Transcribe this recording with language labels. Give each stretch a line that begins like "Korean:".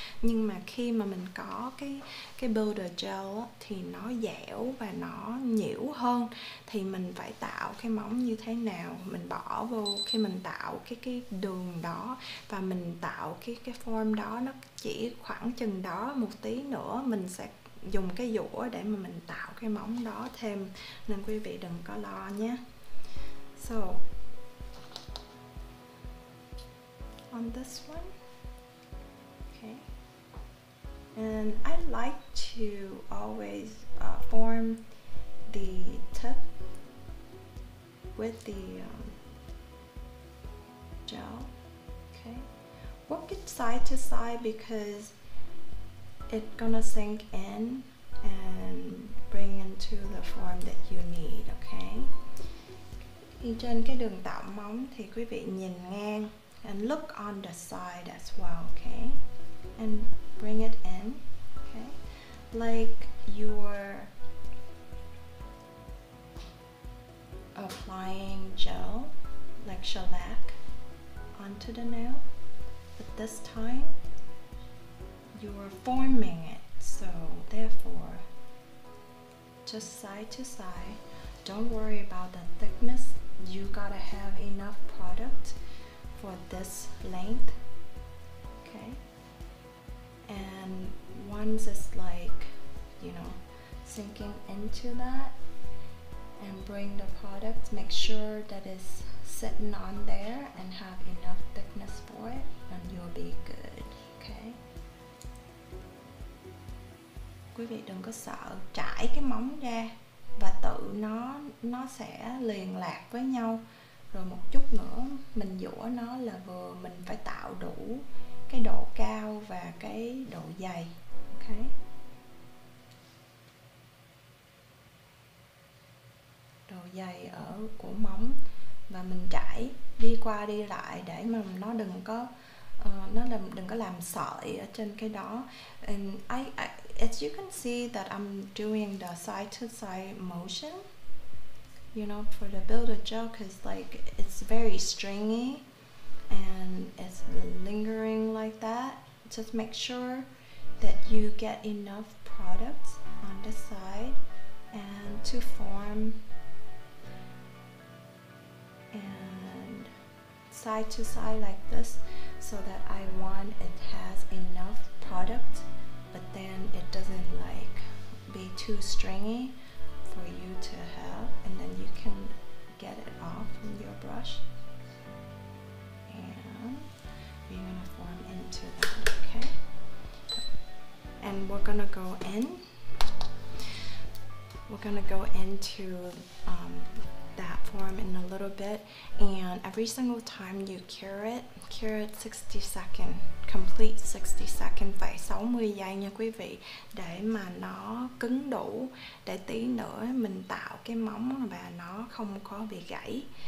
Vietnamese: Nhưng mà khi mà mình có cái builder gel thì nó dẻo và nó nhiễu hơn, thì mình phải tạo cái móng như thế nào, mình bỏ vô khi mình tạo cái đường đó và mình tạo cái form đó, nó chỉ khoảng chừng đó, một tí nữa mình sẽ dùng cái dũa để mà mình tạo cái móng đó thêm, nên quý vị đừng có lo nhé.
English: So on this one, okay, and I like to always form the tip with the gel, okay, work it side to side because it's gonna sink in and bring into the form that you need, okay?
Vietnamese: Đi trên cái đường tạo móng thì quý vị nhìn ngang,
English: and look on the side as well, okay? And bring it in, okay? Like you're applying gel, like shellac, onto the nail, but this time you are forming it, so therefore just side to side. Don't worry about the thickness, you gotta have enough product for this length, okay? And once it's like, you know, sinking into that and bring the product, make sure that it's sitting on there and have enough thickness for it, and you'll be good, okay?
Vietnamese: Quý vị đừng có sợ trải cái móng ra và tự nó sẽ liền lạc với nhau, rồi một chút nữa mình dũa nó là vừa, mình phải tạo đủ cái độ cao và cái độ dày, ok? Độ dày ở của móng, và mình trải đi qua đi lại để mà nó đừng có đừng có làm sợi ở trên cái đó.
English: And as you can see that I'm doing the side to side motion, you know, for the builder gel, because like it's very stringy and it's lingering like that. Just make sure that you get enough product on this side and to form, and side to side like this, so that I want it has enough product, but then it doesn't like be too stringy for you to have, and then you can get it off from your brush, and we're gonna form into that, okay? And we're gonna go into that form in a little bit, and every single time you cure it 60 second, complete 60 second,
Vietnamese: phải 60 giây nha quý vị, để mà nó cứng đủ, để tí nữa mình tạo cái móng và nó không có bị gãy,